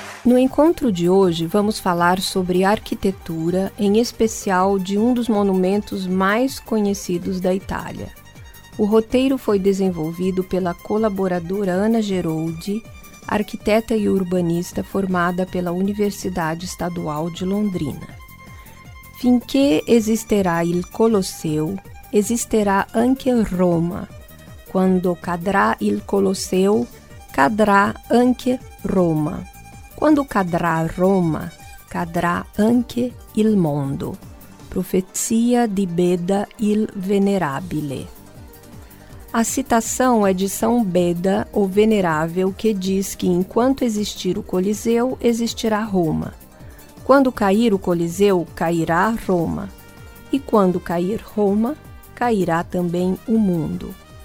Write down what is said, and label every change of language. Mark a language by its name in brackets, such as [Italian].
[Portuguese] No encontro de hoje, vamos falar sobre arquitetura, em especial de um dos monumentos mais conhecidos da Itália. O roteiro foi desenvolvido pela colaboradora Ana Geroldi, arquiteta e urbanista formada pela Universidade Estadual de Londrina. [Italian] Finché existerà il Colosseo, existerà anche Roma. Quando cadrà il Colosseo, cadrà anche Roma. Quando cadrà Roma, cadrà anche il mondo. Profezia di Beda il Venerabile. [Portuguese] A citação é de São Beda, o Venerável, que diz que enquanto existir o Coliseu, existirá Roma. Quando cair o Coliseu, cairá Roma. E quando cair Roma, cairá também o mundo.